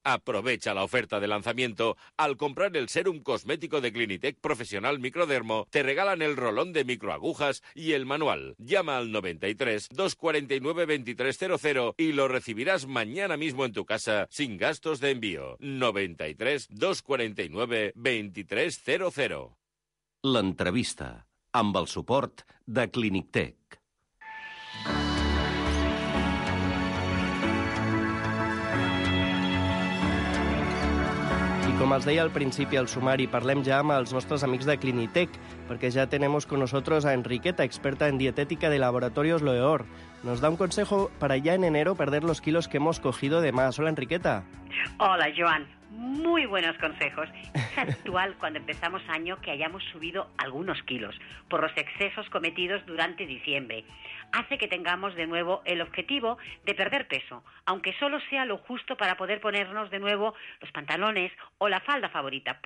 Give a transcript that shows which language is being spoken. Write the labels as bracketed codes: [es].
[es] Aprovecha la oferta de lanzamiento. Al comprar el serum cosmético de Clinitec Profesional Microdermo, te regalan el rolón de microagujas y el manual. Llama al 93 249 2300 y lo recibirás mañana mismo en tu casa sin gastos de envío. 93-249-2300. [ca] L'entrevista, amb el suport de Clinitec. I com els deia al principi, al sumari, parlem ja amb els nostres amics de Clinitec, perquè ja tenem [es] con nosotros [ca] a Enriqueta, experta en dietètica de Laboratorios Loeor. [es] Nos da un consejo para ya en enero perder los kilos que hemos cogido de más. Hola, Enriqueta. Hola, Joan. Muy buenos consejos. Es habitual cuando empezamos año que hayamos subido algunos kilos por los excesos cometidos durante diciembre. Hace que tengamos de nuevo el objetivo de perder peso, aunque solo sea lo justo para poder ponernos de nuevo los pantalones o la falda favorita.